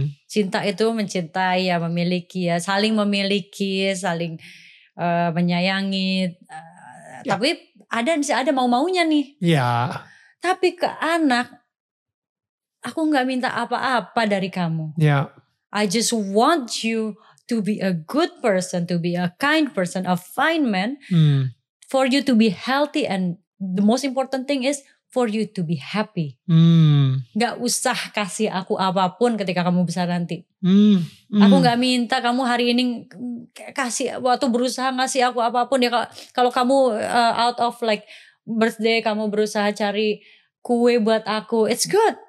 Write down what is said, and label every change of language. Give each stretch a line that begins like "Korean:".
Indonesian: Cinta itu mencintai ya, memiliki ya, saling memiliki, saling menyayangi. Tapi ada mau-maunya nih. Iya. Tapi ke anak, aku gak minta apa-apa dari kamu.
English: Yeah. I just want you to be a good person, to be a kind person, a fine man. Mm. For you to be healthy and the most important thing is for you to be happy. Mm.
Indonesian: Gak usah kasih aku apapun ketika kamu besar nanti. Mm. Mm. Aku gak minta kamu hari ini kasih waktu berusaha ngasih aku apapun. Ya, kalau kamu
English: out of like birthday,
Indonesian: kamu berusaha cari kue buat aku,
English: it's good.